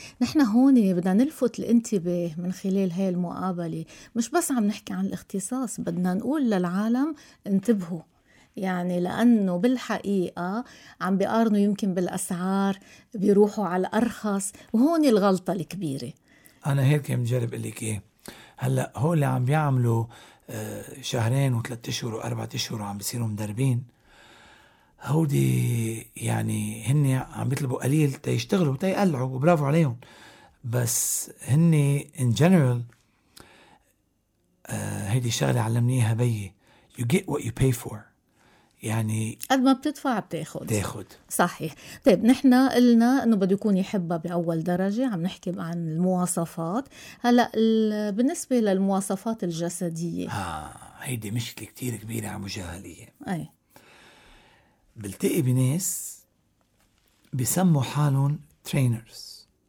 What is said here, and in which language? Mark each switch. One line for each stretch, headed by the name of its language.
Arabic: نحن هون بدنا نلفت الانتباه من خلال هاي المقابلة، مش بس عم نحكي عن الاختصاص، بدنا نقول للعالم انتبهوا، يعني لأنه بالحقيقة عم بيقارنوا يمكن بالأسعار، بيروحوا على الأرخص، وهون الغلطة الكبيرة. أنا هيك مجرب قلك إيه هلأ، هو اللي عم بيعملوا شهرين وثلاثة أشهر وأربعة أشهر عم بيصيروا مدربين، هودي يعني هن عم بيطلبوا قليل تيشتغلوا وتيقلعوا، وبرافو عليهم. بس هن
English: in general
Arabic: هيدي الشغلة علمنيها بي،
English: you get what you pay for،
Arabic: يعني قد ما بتدفع بتاخد. تاخد صحيح. طيب نحنا قلنا انه بده يكون يحبها بأول درجة، عم نحكي عن المواصفات. هلأ بالنسبة للمواصفات الجسدية، هيدي مشكلة كتير كبيرة عم جهلية. اي بلتقي بناس بيسموا حالهم trainers.